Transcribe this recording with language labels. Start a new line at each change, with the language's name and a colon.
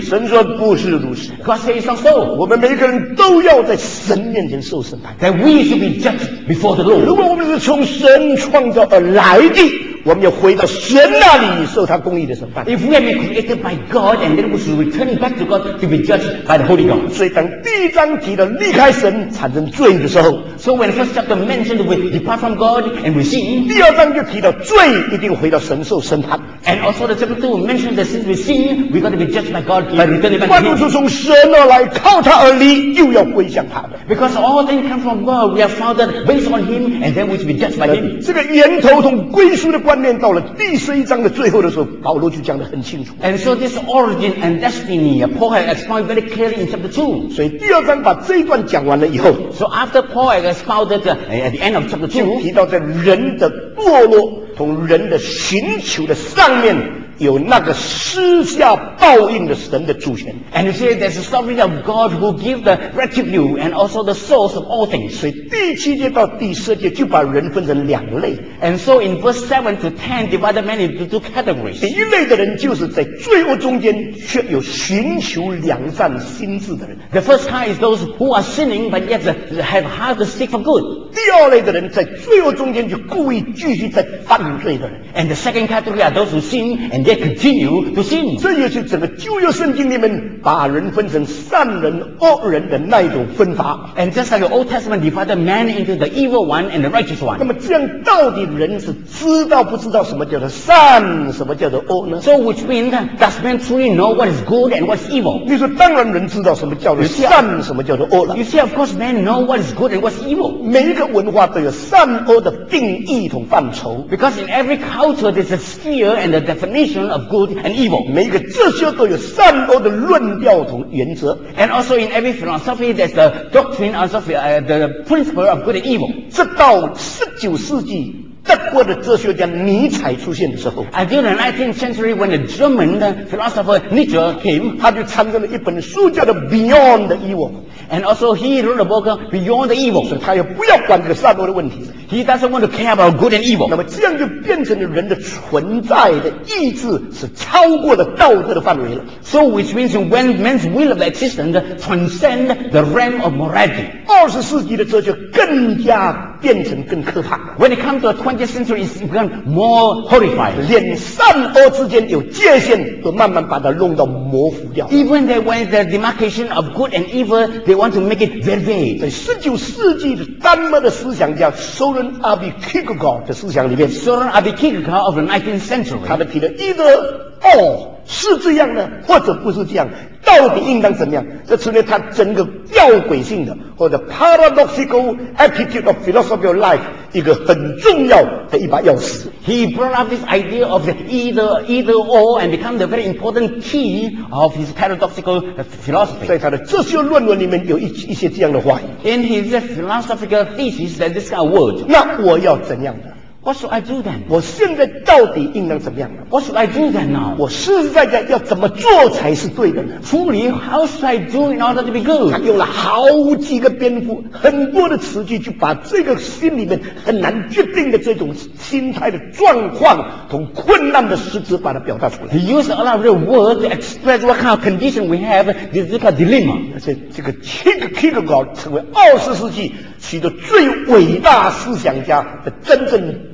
Chinese: 神说不是如此。
English: God says not so.
Chinese: 我们每个人都要在神面前受审判。
English: That we should be judged before the Lord.
Chinese: 如果我们是从神创造而来的，我们要回到神那里受他公义的审判。
English: If we are created by God, and then we should return back to God to be judged by the Holy God.
Chinese: 所以当第一章提到离开神产生罪的时候
English: ，So when first chapter mentioned we depart from God and we sin，
Chinese: 第二章就提到罪一定回到神受审判。
English: And also the chapter two mentioned that since we sin, we got to be judged by God by returning back to Him.
Chinese: 万物是从神而来，靠他而立，又要归向他的。
English: Because all things come from God, we are founded based on Him, and then we should be judged by Him.
Chinese: 这个源头同归属的观念到了第十一章的最后的时候，保罗就讲得很清楚。
English: And so this origin and destiny, Paul had explained very clearly in chapter two.
Chinese: 所以第二章把这一段讲完了以后
English: ，So after Paul had expounded at the end of chapter two,
Chinese: 提到在人的堕落同人的寻求的上面。有那个施下报应的神的主权
English: and you say there's a story of God who give the retribute and also the source of all things
Chinese: 所以第七节到第十节就把人分成两类
English: and so in verse 7 to 10 divide man into two categories
Chinese: 第一类的人就是在罪恶中间却有寻求良善心智的人
English: the first kind is those who are sinning but yet have heart to seek for good
Chinese: 第二类的人在罪恶中间就故意继续在犯罪的人
English: and the second category are those who sin and they continue to sin.
Chinese: 这也是整个旧约圣经里面把人分成善人、恶人的那一种分法。
English: And just like the Old Testament divided man into the evil one and the righteous one.
Chinese: 那么这样到底人是知道不知道什么叫做善，什么叫做恶呢
English: ？So which means does man truly know what is good and what is evil?
Chinese: 你说当然人知道什么叫做善，什么叫做恶了。
English: You see, of course, man know what is good and what is evil.
Chinese: 每一个文化都有善恶的定义同范畴。
English: Because in every culture, there's a sphere and a definition. Of good and evil.
Chinese: 每一个这些都有善恶的论调同原则。
English: And also in every philosophy, there's the doctrine of philosophy, the principle of good and evil.
Chinese: 直到十九世纪德国的哲学家尼采出现的时候
English: ，until the 19th century when the German philosopher Nietzsche came，
Chinese: 他就产生了一本书叫做《Beyond the Evil》。
English: And also he wrote a book Beyond the Evil.
Chinese: 所以他也不要管这个善恶的问题。
English: He doesn't want to care about good and evil.
Chinese: 那么这样就变成了人的存在的意志是超过了道德的范围了。
English: So which means when man's will of existence transcends the realm of morality.
Chinese: 二十世纪的哲学更加变成更可怕。
English: When it comes to the 20th century, it's become more horrifying.
Chinese: 连善恶之间有界限都慢慢把它弄到模糊掉。
English: Even that when the demarcation of good and evil They want to make it very vague.
Chinese: 在十九世纪的丹麦的思想家 Søren Abbe Kierkegaard 的思想里面
English: ，Søren Abbe Kierkegaard of the 19th century，
Chinese: 他的提的 either or 是这样的，或者不是这样，到底应当怎么样？这成为他整个吊诡性的或者
English: paradoxical attitude of philosophical life
Chinese: 一个很重要的一把钥匙。
English: He brought up this idea of the either or and become the very important key of his paradoxical philosophy.
Chinese: 在他的哲学论文里面有一些这样的话语。
English: In his philosophical thesis, that this kind of word.
Chinese: 那我要怎样的？
English: What should I do then?
Chinese: 我现在到底应当怎么样
English: ？What should I do then now?
Chinese: 我实实在在要怎么做才是对的呢
English: ？Truly, how should I do in order to be good?
Chinese: 他用了好几个篇幅，很多的词句，就把这个心里面很难决定的这种心态的状况同困难的实质，把它表达出来。
English: He used a lot of words to express what kind of condition we have. This is called dilemma.
Chinese: 而且这个 Kierkegaard 成为二十世纪许多最伟大思想家的真正。